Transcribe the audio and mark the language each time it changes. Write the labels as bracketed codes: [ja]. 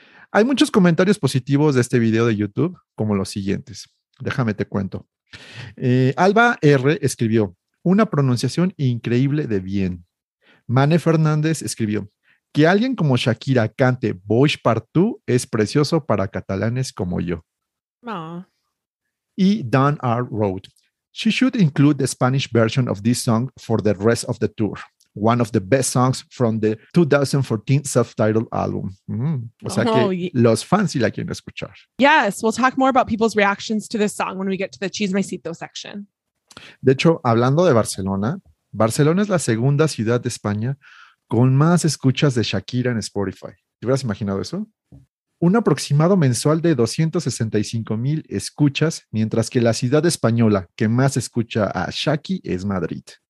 [es] Hay muchos comentarios positivos de este video de YouTube, como los siguientes. Déjame te cuento. Alba R. escribió, una pronunciación increíble de bien. Mane Fernández escribió, que alguien como Shakira cante Bosch Partout es precioso para catalanes como yo. Aww. Y Dan R. [en] wrote, she should include the Spanish version of this song for the rest of the tour. One of the best songs from the 2014 self-titled album. [es] Mm. O sea que los fans sí la quieren escuchar. [en] Yes, we'll talk more about people's reactions to this song when we get to the chismecito section. [es] De hecho, hablando de Barcelona, Barcelona es la segunda ciudad de España con más escuchas de Shakira en Spotify. ¿Te hubieras imaginado eso? Un aproximado mensual de 265 mil escuchas, mientras que la ciudad española que más escucha a Shaki es Madrid.